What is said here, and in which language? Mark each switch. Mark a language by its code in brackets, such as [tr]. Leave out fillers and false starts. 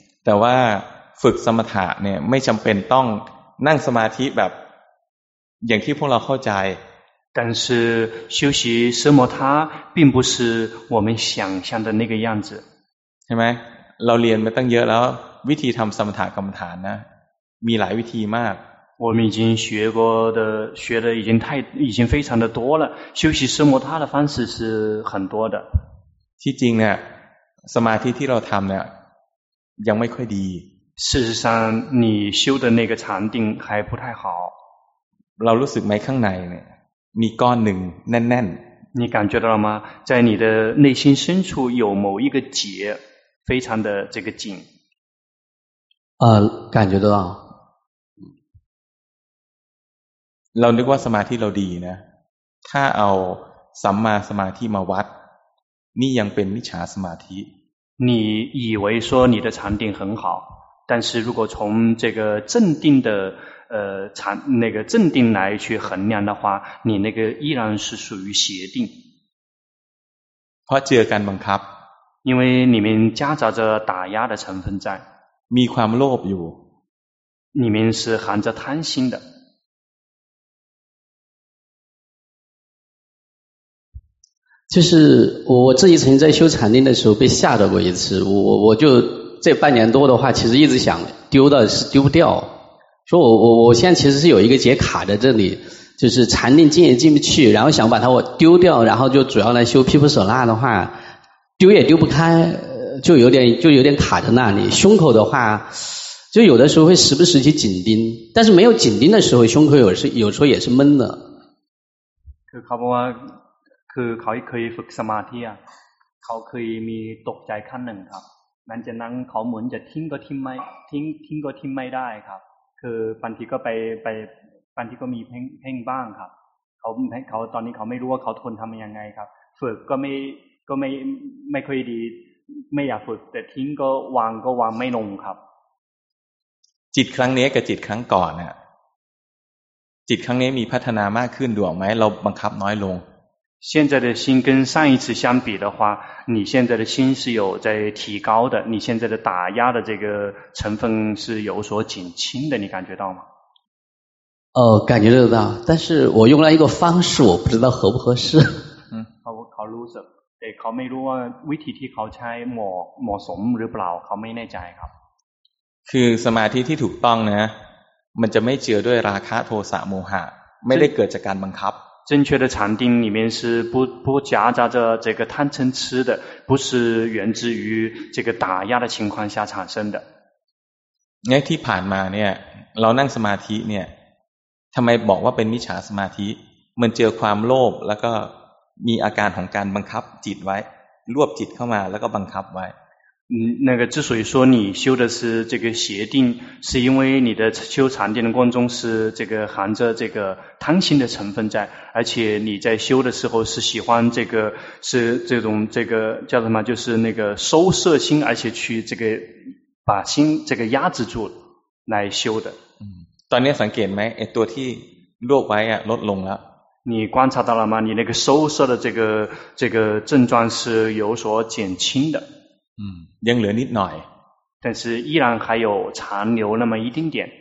[th] แต่ว่าฝึกสมถะเนี่ยไม่จำเป็นต้องนั่งสมาธิแบบอย่างที่พวกเราเข้าใจ [zh] 但是修习奢摩他并不是我们想象的那个样子 [th] ใช่ไหมเราเรียนมาตั้งเยอะแล้ววิธีทำสมถะกรรมฐานนะมีหลายวิธีมาก [zh] 我们已经学的已经非常的多了修习奢摩他的方式是很多的 [th] ที่จริงเนี่ยสมาธิที่เราทำเนี่ยยังไม่ค่อยดี [zh] 事实上你修的那个禅定还不太好 [th] เรารู้สึกไหมข้างในเนี่ยมีก้อนหนึ่งแน่น [zh] ๆ你感觉到了吗在你的内心深处有某一个结非常的这个紧感觉到 [th] เรานึกว่าสมาธิเราดีนะถ้าเอาสัมมาสมาธิมาวัดนี่ยังเป็นมิจฉาสมาธิ [zh] 你以为说你的禅定很好但是如果从这个镇定的禅那个镇定来去衡量的话你那个依然是属于邪定 [th] เพราะเจอการบังคับ [zh] 因为里面夹杂着打压的成分在 [th] มีความโลภอยู่ [zh] 里面是含着贪心的就是我自己曾经在修禅定的时候被吓到过一次我就这半年多的话其实一直想丢的是丢不掉说我现在其实是有一个结卡在这里就是禅定进也进不去然后想把它我丢掉然后就主要来修毗婆舍那的话丢也丢不开就有点卡在那里胸口的话就有的时候会时不时去紧盯但是没有紧盯的时候胸口有时候也是闷的可靠不啊 [th] คือเขาเคยฝึกสมาธิอ่ะเขาเคยมีตกใจขั้นหนึ่งครับนั่นจะนั่งเขาเหมือนจะทิ้งก็ทิ้งไม่ได้ครับคือบางทีก็ไปบางทีก็มีเพ่งบ้างครับเขาตอนนี้เขาไม่รู้ว่าเขาทนทำยังไงครับ ฝึกก็ไม่ค่อยดีไม่อยากฝึกแต่ทิ้งก็วางก็วางไม่ลงครับ จิตครั้งนี้กับจิตครั้งก่อนเนี่ยจิตครั้งนี้มีพัฒนามากขึ้นดวงไหมเราบังคับน้อยลง [zh] 现在的心跟上一次相比的话，你现在的心是有在提高的，你现在的打压的这个成分是有所减轻的，你感觉到吗？感觉得到，但是我用了一个方式，我不知道合不合适。嗯，我考卢什，对，考没卢啊？ [th] วิธีที่เขาใช้เหมาะเหมาะสมหรือเปล่าเขาไม่แน่ใจครับ คือสมาธิที่ถูกต้องนะมันจะไม่เจือด้วยราคะโทสะโมหะไม่ได้เกิดจากการบังคับ [zh] 正确的禅定里面是不夹杂着这个贪嗔痴的，不是源自于这个打压的情况下产生的。 [th] 那ที่ผ่านมาเนี่ย เรานั่งสมาธิเนี่ย ทำไมบอกว่าเป็นมิจฉาสมาธิ มันเจอความโลภแล้วก็มีอาการของการบังคับจิตไว้ รวบจิตเข้ามาแล้วก็บังคับไว้ [zh] 那个之所以说你修的是这个邪定，是因为你的修禅定的过程中是这个含着这个贪心的成分在，而且你在修的时候是喜欢这个是这种这个叫什么，就是那个收摄心，而且去这个把心这个压制住来修的。 [th] ตอนนี้สังเกตไหมตัวที่รวบไว้ลดลงแล้ว [zh] 你观察到了吗？你那个收摄的这个症状是有所减轻的。 [th] ยังเหลือนิดหน่อย [zh] 但是依然还有残留那么一丁点